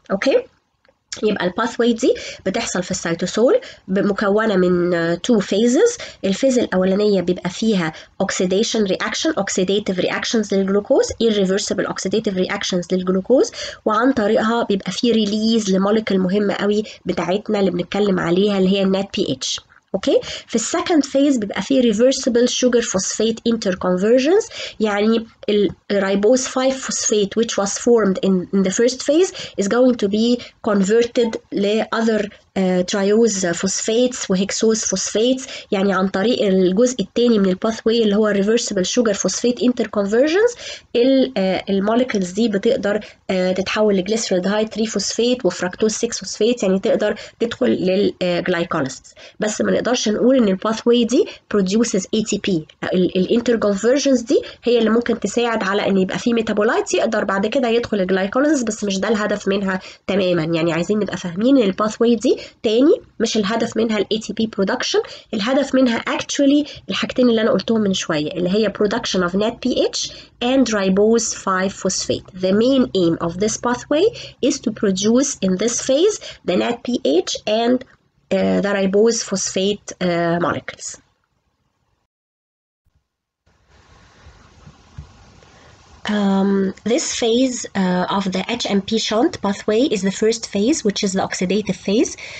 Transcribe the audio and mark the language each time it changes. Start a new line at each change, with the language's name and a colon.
Arabic: Okay, يبقى الباثوي دي بتحصل في السيتوسول مكونة من
English: two phases.
Arabic: الفيز الأولانية بيبقى فيها oxidation reaction, oxidative reactions للجلوكوز,
English: irreversible oxidative reactions
Arabic: للجلوكوز، وعن طريقها بيبقى فيه release لmolecule مهمة قوي بتاعتنا اللي بنتكلم عليها اللي هي النات pH. Okay, في second phase بيبقى فيه
English: reversible sugar phosphate interconversions،
Arabic: يعني الribose 5 phosphate
English: which was formed in the first phase is going to be converted
Arabic: لother triose phosphates وhexose phosphates، يعني عن طريق الجزء الثاني من الباثوي اللي هو reversible sugar phosphate interconversions المولكيولز دي بتقدر تتحول لجليسرالدهايد 3 phosphate وفركتوز 6 phosphate، يعني تقدر تدخل للجلايكوليسيس. بس ما نقدرش نقول ان الباثوي دي produces ATP. الانترconversions دي هي اللي ممكن تساعد على ان يبقى في ميتابولايتس يقدر بعد كده يدخل الجلايكوليسيس، بس مش ده الهدف منها تماما. يعني عايزين نبقى فاهمين ان الباثوي دي تاني مش الهدف منها الـ ATP production، الهدف منها actually الحاجتين اللي أنا قلتهم من شوية اللي هي
English: production of NADPH and ribose 5 phosphate. The main aim of this pathway is to produce in this phase the NADPH and the ribose phosphate molecules. This phase of the HMP shunt pathway is the first phase, which is the oxidative phase.